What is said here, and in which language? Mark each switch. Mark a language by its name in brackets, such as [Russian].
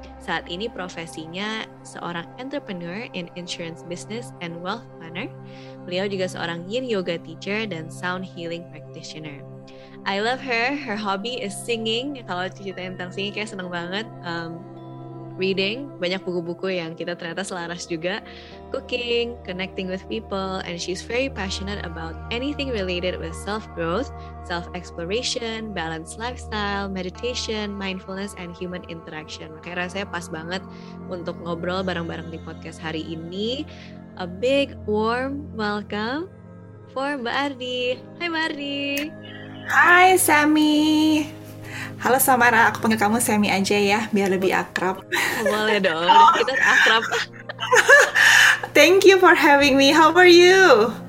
[Indonesian] Saat ini profesinya seorang [English] entrepreneur in insurance business and wealth planner. [Indonesian] Beliau juga seorang [English] yin yoga teacher dan sound healing practitioner. I love her. Her hobby is singing. [Indonesian] Kalau cerita tentang singing kayak seneng banget. Reading, banyak buku-buku yang kita ternyata selaras juga. [English] Cooking, connecting with people, and she's very passionate about anything related with self-growth, self-exploration, balanced lifestyle, meditation, mindfulness, and human interaction. [Indonesian] Makanya rasanya pas banget untuk ngobrol bareng-bareng di podcast hari ini. [English] A big warm welcome for Mbak Ardi. Hi Mbak Ardi. Hi Sammy. [Indonesian] Halo Samara, aku panggil kamu Sammy aja ya, biar lebih akrab. Boleh dong, kita akrab. [English] Thank you for having me, how are you?